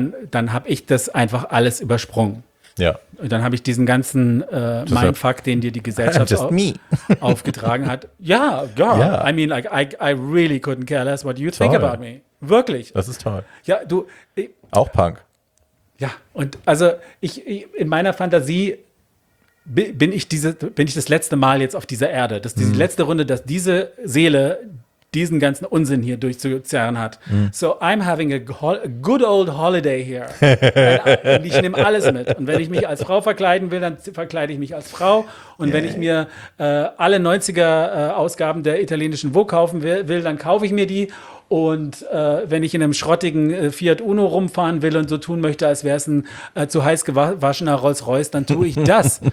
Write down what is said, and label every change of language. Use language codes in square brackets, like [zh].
[de] Dann habe ich das einfach alles übersprungen. Ja. Und dann habe ich diesen ganzen Mindfuck, den dir die Gesellschaft aufgetragen hat. [en] Ja, girl, yeah. I mean, like, I really couldn't care less what you toll. Think about me. Wirklich. [de] Das ist toll. Ja, du. Auch Punk. Ja, und also ich in meiner Fantasie bin ich das letzte Mal jetzt auf dieser Erde. Das ist die letzte Runde, dass diese Seele diesen ganzen Unsinn hier durchzuzerren hat. Mm. [en] So I'm having a good old holiday here. [de] Und ich nehme alles mit. Und wenn ich mich als Frau verkleiden will, dann verkleide ich mich als Frau. Und yeah. Wenn ich mir alle 90er-Ausgaben der italienischen Vogue kaufen will, dann kaufe ich mir die. Und wenn ich in einem schrottigen Fiat Uno rumfahren will und so tun möchte, als wäre es ein zu heiß gewaschener Rolls-Royce, dann tue ich das.